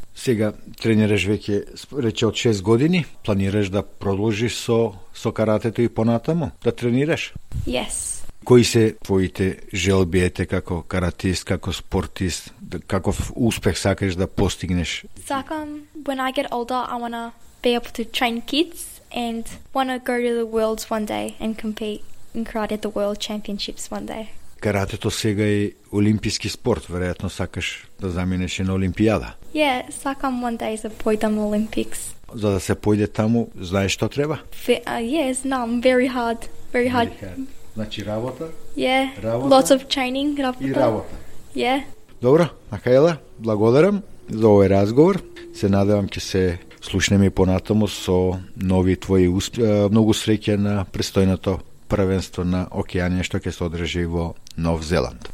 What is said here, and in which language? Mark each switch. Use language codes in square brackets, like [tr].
[mk] Сега тренираш веќе рече од 6 години, планираш да продолжиш со каратето и понатаму да тренираш? [en] Yes. [mk] Кои се твоите желби ете како каратист, како спортист, каков успех сакаш да постигнеш? Сакам, [en] when I get older I wanna be able to train kids and want to go to the worlds one day and compete in karate at the world championships one day. [mk] Каратето сега е олимпијски спорт, веројатно сакаш да заминеш на олимпијада. [en] Yeah, [mk] сакам [en] one day [mk] да појдам Олимпикс. За да се појде таму, знаеш што треба? [en] Yes, no, I'm very hard, very hard. [mk] Значи работа? [en] Yeah, [mk] работа, [en] lots of training, [mk] работа. И работа. [en] Yeah. [mk] Добро, Михаела, благодарам за овој разговор. Се надевам ќе се слушнем и понатаму со нови твои многу среќа на престојното првенство на Океанија што ќе се одржи во Нов Зеланд.